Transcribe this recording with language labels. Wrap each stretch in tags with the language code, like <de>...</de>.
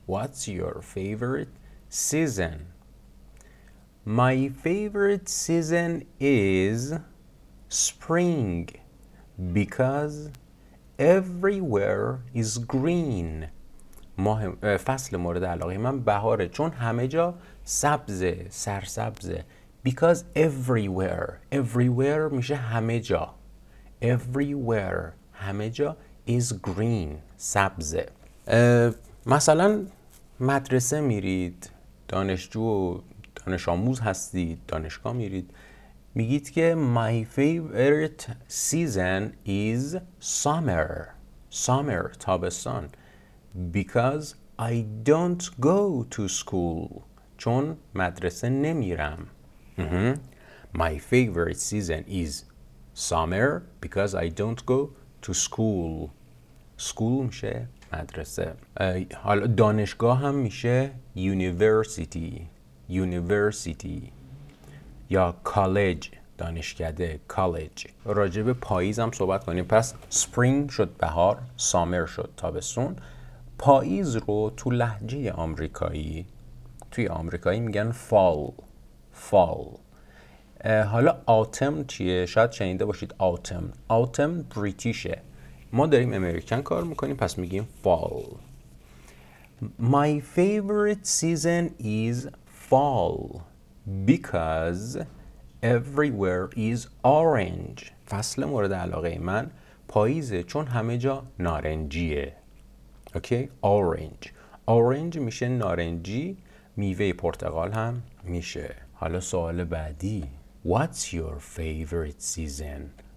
<en>What's your favorite season؟ My favorite season is spring because everywhere is green.</en> <fa>فصل مورد علاقه من بهاره، چون همه جا سبزه، سرسبزه.</fa> <en>Because everywhere. Everywhere</en> <fa>میشه همه جا.</fa> <en>Everywhere.</en> <fa>همه جا</fa> <en>is green. سبزه.</en> <fa>مثلا مدرسه میرید، دانشجو، دانش آموز هستید، دانشگاه میرید، میگید که</fa> <en>My favorite season is summer. Summer. تابستان. Because I don't go to school.</en> <fa>چون مدرسه نمیرم.</fa> <en>My favorite season is summer because I don't go to school.</en> <fa>School میشه مدرسه. حالا دانشگاه هم میشه university.</fa> <en>University. یا college. دانشکده. College.</en> <fa>راجع به پاییز هم صحبت کنیم. پس spring شد بهار. Summer شد تابستون. پاییز رو تو لهجه آمریکایی، توی آمریکایی میگن fall.</fa> <en>Fall.</en> <fa>حالا autumn چیه؟ شاید شنیده باشید autumn. Autumn بریتیشه. ما داریم امریکن کار میکنیم پس میگیم fall.</fa> <en>My favorite season is fall because everywhere is orange.</en> <fa>فصل مورد علاقه من پاییزه چون همه جا نارنجیه.</fa> <en>Okay, orange.</en> <fa>Orange میشه نارنجی، میوه پرتقال هم میشه. حالا سوال بعدی.</fa> <en>What's your favorite season?</en>